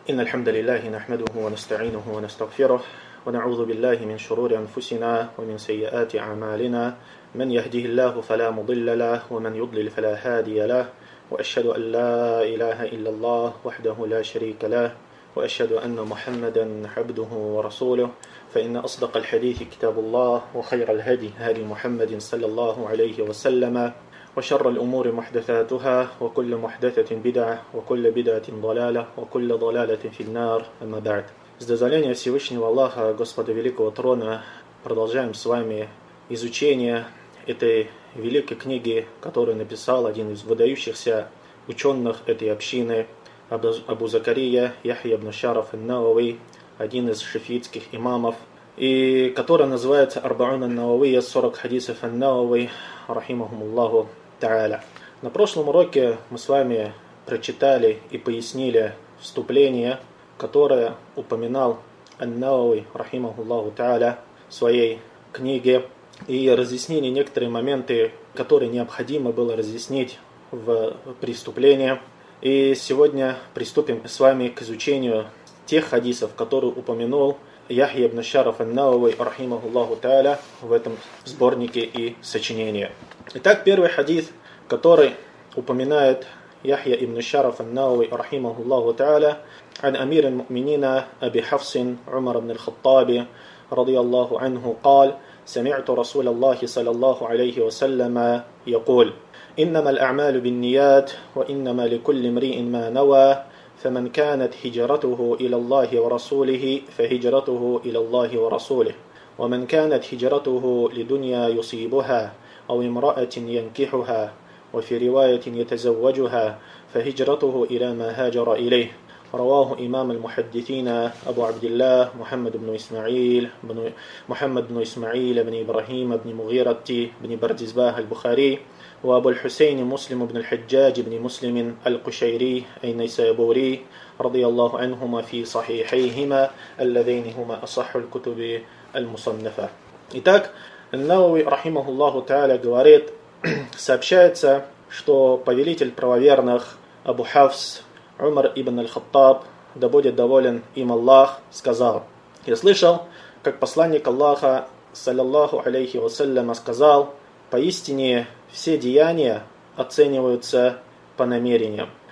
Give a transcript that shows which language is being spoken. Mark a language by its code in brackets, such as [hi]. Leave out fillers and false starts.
[ar] إن الحمد لله نحمده ونستعينه ونستغفره ونعوذ بالله من شرور أنفسنا ومن سيئات أعمالنا من يهده الله فلا مضل له ومن يضلل فلا هادي له وأشهد أن لا إله إلا الله وحده لا شريك له وأشهد أن محمدا عبده ورسوله فإن أصدق الحديث كتاب الله وخير الهدي هدي محمد صلى الله عليه وسلم وشر الأمور محدثاتها وكل محدثة بدعة وكل بدعة ضلالة وكل ضلالة في النار أما بعد. [ru] С дозволения Всевышнего Аллаха, Господа Великого Трона, продолжаем с вами изучение этой великой книги, которую написал один из выдающихся ученых этой общины, Абу Закария Яхья ибн Шараф ан-Науи, один из шафиитских имамов, и которая называется «Арбаун ан-Науия», «40 хадисов ан-Науи», «Рахимахум Аллаху». На прошлом уроке мы с вами прочитали и пояснили вступление, которое упоминал ан-Науи, рахимахуллаху та'аля, в своей книге, и разъяснили некоторые моменты, которые необходимо было разъяснить в преступлении. И сегодня приступим с вами к изучению тех хадисов, которые упомянул Яхья ибн Шараф ан-Науи, рахимахуллаху та'аля, в этом сборнике и сочинении. Итак, первый хадис, который упоминает Яхья ибн Шараф ан-Науи, рахимахуллаху та'аля, [ar] عن أمير المؤمنين أبي حفص عمر بن الخطاب رضي الله عنه قال سمعت رسول الله صلى الله عليه وسلم يقول إنما الأعمال بالنيات وإنما لكل امرئ ما نوى فمن كانت هجرته إلى الله ورسوله فهجرته إلى الله ورسوله ومن كانت هجرته لدنيا يصيبها أو امرأة ينكحها وفي رواية يتزوجها فهجرته إلى ما هاجر إليه رواه إمام المحدثين أبو عبد الله محمد بن إسماعيل بن محمد بن إسماعيل بن إبراهيم بن مغيرة بن برزباه البخاري وأبو الحسين مسلم بن الحجاج بن مسلم القشيري النيسابوري رضي الله عنهما في صحيحيهما اللذين هما أصح الكتب المصنفة. [ru] Итак, [ar] النووي رحمه الله تعالى [ru] говорит, сообщается, что повелитель правоверных Абу Хафс Умар ибн аль-Хаттаб, да будет доволен им Аллах, сказал. Я слышал, как посланник Аллаха, саллиллаху алейхи вассаляма, сказал, поистине все деяния оцениваются по намерениям.